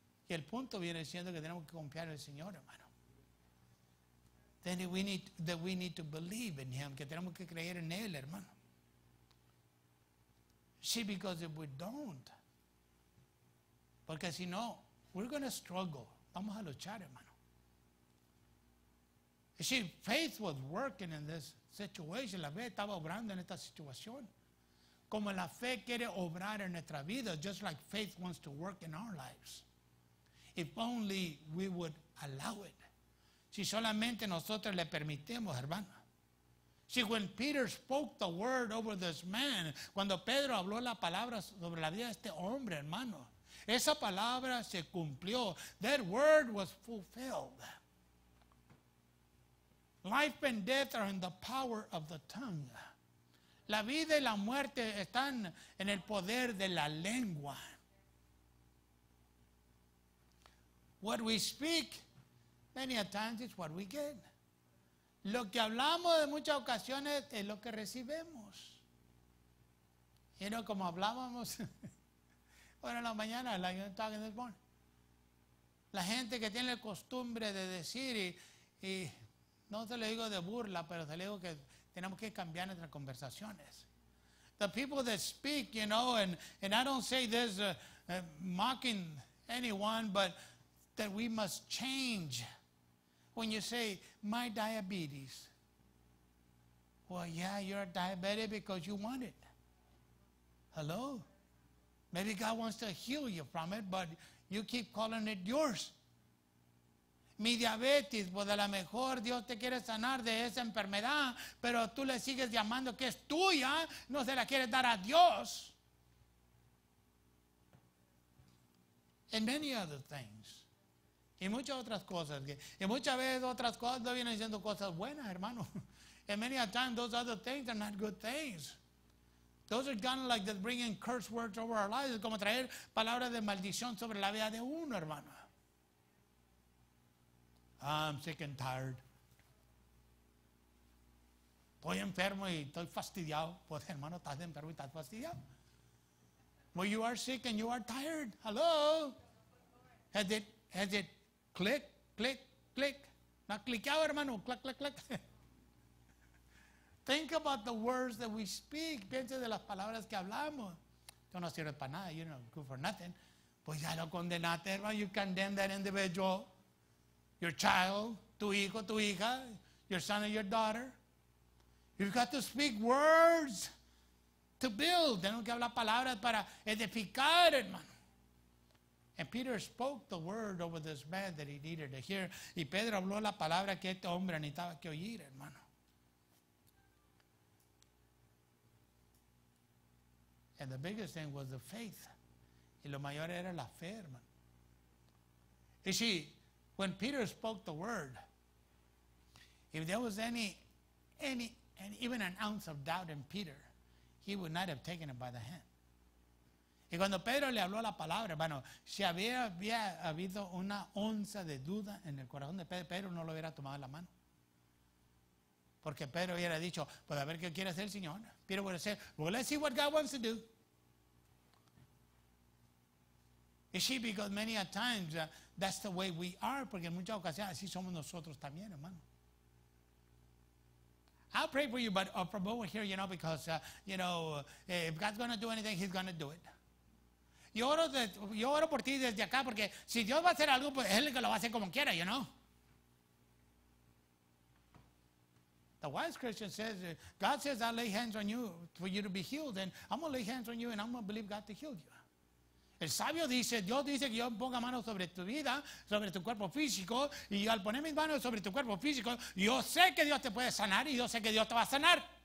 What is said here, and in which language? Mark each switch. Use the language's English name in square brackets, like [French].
[Spanish] Y el punto viene siendo que tenemos que confiar en el Señor, hermano. [English] Then we need to believe in Him, [Spanish] que tenemos que creer en Él, hermano. [English] See, because if we don't, [Spanish] porque si no, [English] we're going to struggle. [Spanish] Vamos a luchar, hermano. [English] You see, faith was working in this situation. [Spanish] La fe estaba obrando en esta situación. Como la fe quiere obrar en nuestra vida, [English] just like faith wants to work in our lives. If only we would allow it. [Spanish] Si solamente nosotros le permitimos, hermano. [English] See, when Peter spoke the word over this man, [Spanish] cuando Pedro habló la palabra sobre la vida de este hombre, hermano, esa palabra se cumplió. [English] That word was fulfilled. Life and death are in the power of the tongue. [Spanish] La vida y la muerte están en el poder de la lengua. [English] What we speak, many a times is what we get. [Spanish] Lo que hablamos en muchas ocasiones es lo que recibimos. [English] You know, [Spanish] como hablábamos bueno, en la mañana, [English] like I'm talking this morning. [Spanish] La gente que tiene la costumbre de decir, y no se lo digo de burla, pero se lo digo que tenemos que cambiar nuestras conversaciones. [English] The people that speak, you know, and I don't say this mocking anyone, but that we must change. When you say, my diabetes. Well, yeah, you're a diabetic because you want it. Hello? Maybe God wants to heal you from it, but you keep calling it yours. [Spanish] Mi diabetes, pues a lo mejor Dios te quiere sanar de esa enfermedad, pero tú le sigues llamando que es tuya, no se la quieres dar a Dios. [English] And many other things. [Spanish] Y muchas otras cosas. Y muchas veces otras cosas no vienen siendo cosas buenas, hermano. [English] And many a time those other things are not good things. Those are kind of like the bringing curse words over our lives. [Spanish] Es como traer palabras de maldición sobre la vida de uno, hermano. [English] I'm sick and tired. [Spanish] Estoy enfermo y estoy fastidiado. Pues hermano, estás enfermo y estás fastidiado. [English] Well, you are sick and you are tired. Hello? Has it click, click, click? [Spanish] No cliqueado, hermano. [English] Click, click, click. Think about the words that we speak. [Spanish] Piensa de las palabras que hablamos. Yo no sirve para nada. [English] You know, good for nothing. [Spanish] Pues ya lo condenaste, hermano. [English] You condemn that individual. Your child, [Spanish] tu hijo, tu hija, [English] your son and your daughter. You've got to speak words to build. [Spanish] Tenemos que hablar palabras para edificar, hermano. [English] And Peter spoke the word over this man that he needed to hear. [Spanish] Y Pedro habló la palabra que este hombre necesitaba que oír, hermano. [English] And the biggest thing was the faith. [Spanish] Y lo mayor era la fe, hermano. Y si... [English] When Peter spoke the word, if there was any even an ounce of doubt in Peter, he would not have taken it by the hand. [Spanish] Y cuando Pedro le habló la palabra, hermano, si había habido una onza de duda en el corazón de Pedro, Pedro no lo hubiera tomado la mano. Porque Pedro hubiera dicho, pues a ver qué quiere hacer el Señor. [English] Peter would have said, well, let's see what God wants to do. Is she? Because many a times that's the way we are. [Spanish] Porque en muchas ocasiones así somos nosotros también, hermano. [English] I'll pray for you, but from over here, you know, because you know, if God's going to do anything, He's going to do it. [Spanish] Yo oro por ti desde acá, porque si Dios va a hacer algo, pues es el que lo va a hacer como quiera, [English] you know. The wise Christian says, God says, I'll lay hands on you for you to be healed, and I'm going to lay hands on you, and I'm going to believe God to heal you. [Spanish] El sabio dice, Dios dice que yo ponga manos sobre tu vida, sobre tu cuerpo físico, y al poner mis manos sobre tu cuerpo físico, yo sé que Dios te puede sanar y yo sé que Dios te va a sanar.